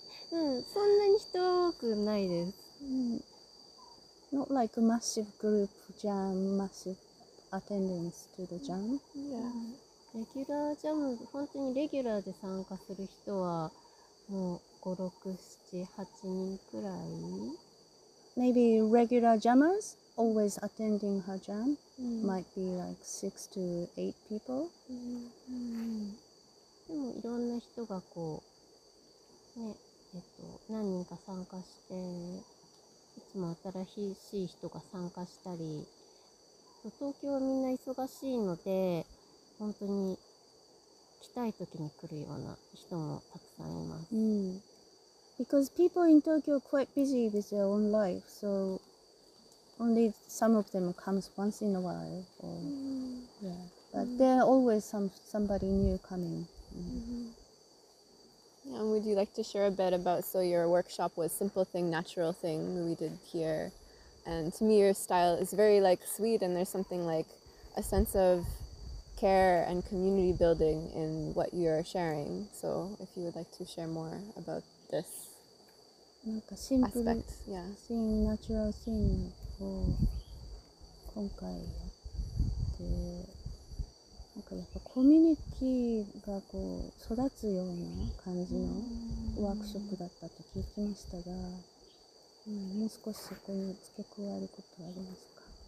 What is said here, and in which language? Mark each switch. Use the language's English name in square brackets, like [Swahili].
[Japanese] そんなに人多くないです。 [English] Not like a massive group jam, massive attendance to the jam. Yeah. [Japanese] レギュラージャム、本当にレギュラーで参加する人はもう5、6、7、8人くらい。 [English] Maybe regular jammers always attending her jam might be like 6 to 8 people. [Japanese] でもいろんな人がこう、ね、何人か参加して、いつも新しい人が参加したり、東京はみんな忙しいので、本当に来たい時に来るような人もたくさんいます。 [English] Because people in Tokyo are quite busy with their own life, so only some of them comes once in a while. But there are always somebody new coming. And would you like to share a bit about, so your workshop was Simple Thing, Natural Thing we did here, and to me your style is very like sweet, and there's something like a sense of care and community building in what you're sharing, so if you would like to share more about this [Japanese] なんかシンプル [English] aspect. Yeah. [Japanese] シーン、ナチュラルシーンを今回やってなんかやっぱコミュニティがこう育つような感じのワークショップだったと聞きましたが、もう少しそこに付け加えることはありますか？